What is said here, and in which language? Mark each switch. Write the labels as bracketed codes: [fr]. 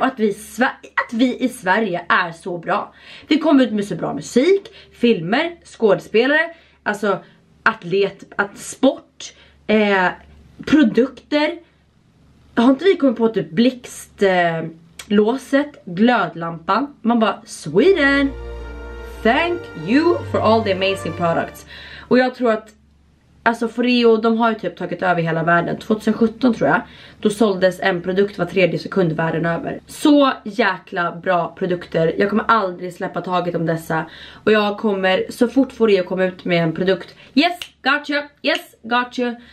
[sv] Och att vi i Sverige är så bra. Vi kommer ut med så bra musik, filmer, skådespelare, alltså atlet, sport, produkter. Har inte vi kommit på typ blixt, låset, glödlampan? Man bara, [en] Sweden, thank you for all the amazing products. [sv] Och jag tror att, alltså Foreo, de har ju typ tagit över hela världen. 2017 tror jag, då såldes en produkt var tredje sekund världen över. Så jäkla bra produkter. Jag kommer aldrig släppa taget om dessa. Och jag kommer, så fort Foreo kommer ut med en produkt, [en] yes, gotcha, yes, gotcha.